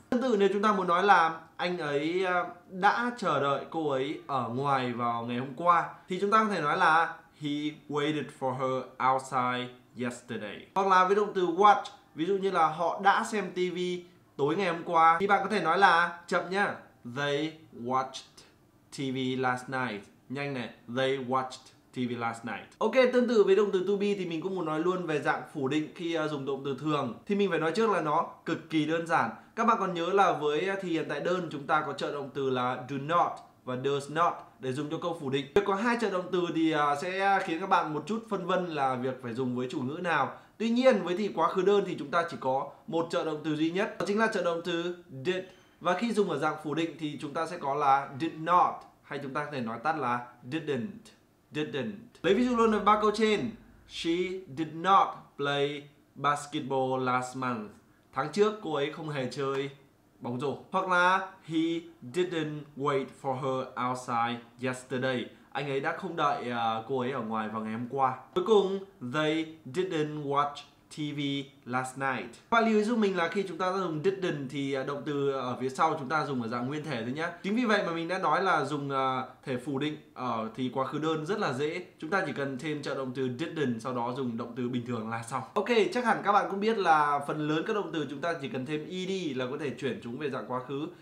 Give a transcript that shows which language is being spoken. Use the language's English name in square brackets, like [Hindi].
[Vietnamese] Tương tự nếu chúng ta muốn nói là anh ấy đã chờ đợi cô ấy ở ngoài vào ngày hôm qua thì chúng ta có thể nói là [English] he waited for her outside yesterday. [Vietnamese] Hoặc là với động từ watch, ví dụ như là họ đã xem TV tối ngày hôm qua thì bạn có thể nói là chậm nhá, [English] they watched TV last night. [Vietnamese] Nhanh này, [English] they watched TV last night. [Vietnamese] Ok, tương tự với động từ to be thì mình cũng muốn nói luôn về dạng phủ định khi dùng động từ thường. Thì mình phải nói trước là nó cực kỳ đơn giản. Các bạn còn nhớ là với thì hiện tại đơn chúng ta có trợ động từ là do not và does not để dùng cho câu phủ định. Việc có hai trợ động từ thì sẽ khiến các bạn một chút phân vân là việc phải dùng với chủ ngữ nào. Tuy nhiên với thì quá khứ đơn thì chúng ta chỉ có một trợ động từ duy nhất, đó chính là trợ động từ did. Và khi dùng ở dạng phủ định thì chúng ta sẽ có là did not, hay chúng ta có thể nói tắt là didn't. Lấy ví dụ luôn ở ba câu trên. [English] She did not play basketball last month. [Vietnamese] Tháng trước cô ấy không hề chơi bóng rổ. Hoặc là [English] he didn't wait for her outside yesterday. [Vietnamese] Anh ấy đã không đợi cô ấy ở ngoài vào ngày hôm qua. Cuối cùng, [English] they didn't watch TV last night. [Vietnamese] Và lưu ý giúp mình là khi chúng ta dùng didn't thì động từ ở phía sau chúng ta dùng ở dạng nguyên thể thôi nhé. Chính vì vậy mà mình đã nói là dùng thể phủ định ở thì quá khứ đơn rất là dễ. Chúng ta chỉ cần thêm trợ động từ didn't, sau đó dùng động từ bình thường là xong. Ok, chắc hẳn các bạn cũng biết là phần lớn các động từ chúng ta chỉ cần thêm ed là có thể chuyển chúng về dạng quá khứ.